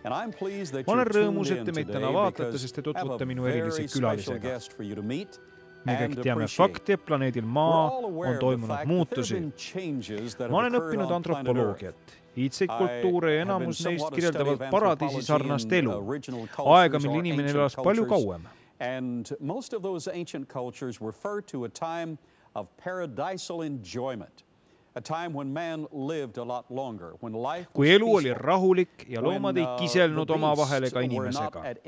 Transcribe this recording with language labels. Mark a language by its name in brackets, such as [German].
[Estonian] Ma olen rõõmus, et te meid täna vaatate, sest te tutvute minu erilise külalisega. Me kõik teame fakti, et planeedil Maa on toimunud muutusi. Ma olen õppinud antropoloogiat. Iidseid kultuure ja enamus neist kirjeldavad paradiisi sarnast elu. Aega, mille inimene elas palju kauem. [English] And most of those ancient cultures refer to a time of paradisal enjoyment, a time when man lived a lot longer, when life [Estonian] kui elu oli rahulik ja loomad ei kiselnud oma vahelega inimesega.